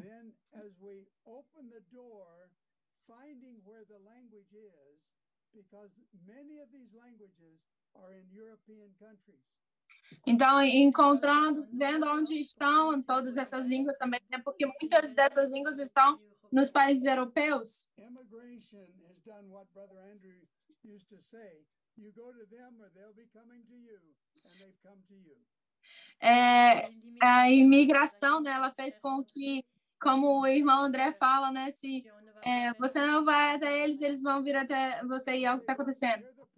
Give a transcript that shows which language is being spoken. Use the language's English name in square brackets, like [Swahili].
[English] Then as we open the door, finding where the language is, because many of these languages are in European countries. [Portuguese] Então, encontrando, vendo onde estão todas essas línguas também, né? Porque muitas dessas línguas estão nos países europeus. [English] Immigration has done what Brother Andrew used to say. You go to them or they'll be coming to you, and they've come to you. [Portuguese] A imigração, né, ela fez com que, como o irmão André fala, né, se você não vai até eles, eles vão vir até você, e é o que está acontecendo.